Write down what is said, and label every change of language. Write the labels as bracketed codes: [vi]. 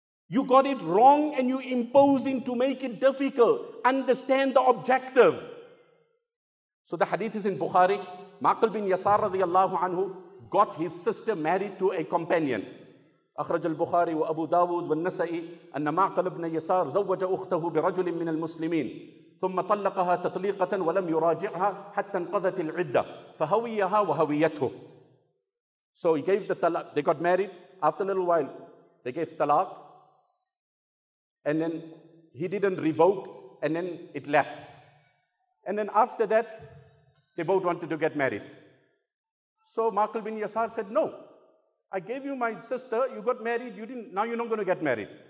[en] You got it wrong and you're imposing to make it difficult. Understand the objective. So the hadith is in Bukhari. Maqil bin Yasar radiallahu anhu got his sister married to a companion. [ar] أخرج البخاري وأبو داود والنسائي أن معقل بن يسار زوج أخته برجل من المسلمين ثم طلقها تطليقة ولم يراجعها حتى انقضت العدة فهويها وهويته. [en] So he gave the talaq, they got married, after a little while they gave talaq and then he didn't revoke, and then it lapsed. And then after that, they both wanted to get married. So Makil bin Yasar said, no, I gave you my sister, you got married, you didn't. Now you're not going to get married.